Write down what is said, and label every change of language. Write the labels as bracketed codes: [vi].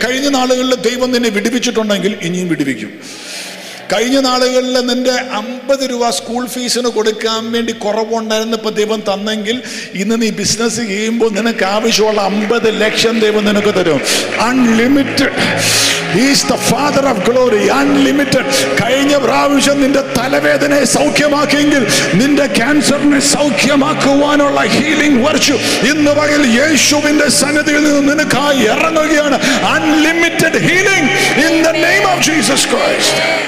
[ml] കഴിഞ്ഞ നാളുകളിൽ ദൈവം നിന്നെ വിടുവിച്ചിട്ടുണ്ടെങ്കിൽ ഇനിയും വിടുവിക്കും. കഴിഞ്ഞ നാളുകളിൽ നിന്റെ 50 രൂപ സ്കൂൾ ഫീസിന് കൊടുക്കാൻ വേണ്ടി കുറവുണ്ടായിരുന്നു, ഇപ്പൊ ദൈവം തന്നെങ്കിൽ ഇന്ന് നീ ബിസിനസ് ചെയ്യുമ്പോൾ നിനക്ക് ആവശ്യമുള്ള 50 ലക്ഷം ദൈവം നിനക്ക് തരും. [en] Unlimited. He's the Father of Glory, unlimited. [ml] കഴിഞ്ഞ പ്രാവശ്യം നിന്റെ തലവേദനയെ സൗഖ്യമാക്കിയെങ്കിൽ നിന്റെ ക്യാൻസറിനെ സൗഖ്യമാക്കുവാനുള്ള ഹീലിംഗ് വർഷു ഇന്ന് പകൽ യേശുവിന്റെ സന്നിധിയിൽ നിന്ന് നിനക്കായി ഇറങ്ങുകയാണ്. [en] Unlimited healing in the name of Jesus Christ.